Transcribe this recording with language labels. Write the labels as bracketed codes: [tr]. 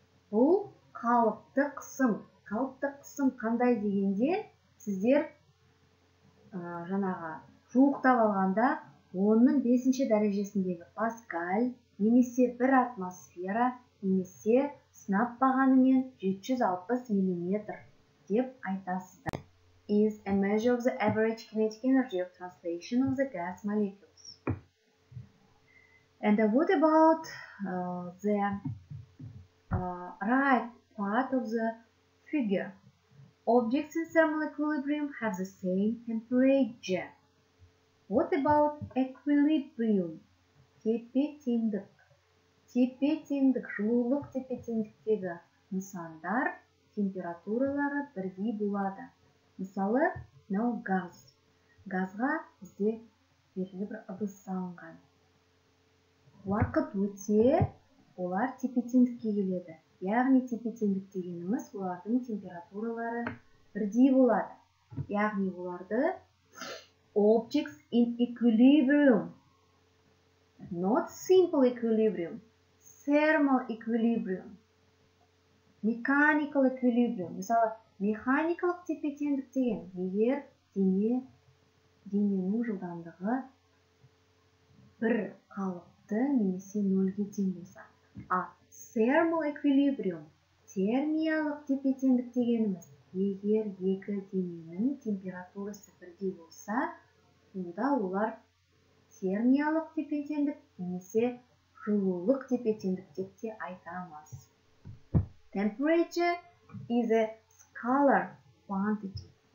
[kk] Бұл қалыпты қысым. Қалыпты қысым қандай дегенде, сіздер жаңаға жуықтап алғанда, оның 5-ші дәрежесіндегі паскаль, немесе бір атмосфера, немесе сынап бағанымен 760 миллиметр деп айтасыздар. [en] Is a measure of the average kinetic energy of translation of the gas molecules. And what about the right part of the figure? Objects in thermal equilibrium have the same temperature. What about equilibrium? [kk] Тепе-теңдік. Тепе-теңдік, жылулық тепе-теңдіктегі нысандар температуралары бірдей болады. Мысалы, мынау газ. Газға бізде белгілі бір ыдыс салынған. Уақыт өте, олар тепе-теңдікке келеді. Яғни тепе-теңдік дегеніміз олардың температуралары бірдей болады. Яғни оларды [en] objects in equilibrium, not simple equilibrium, thermal equilibrium, mechanical equilibrium. [kk] Мысалы, механикалық тепе-теңдік деген, егер дененің жылдамдығы бір қалыпты немесе нөлге тең болса. А thermal equilibrium, термиялық тепе-теңдік дегеніміз, егер екі дененің температурасы бірдей болса, онда олар термиялық тепе-теңдік немесе жылулық тепе-теңдік деп те айтамыз. [en] Temperature is a scalar quantity.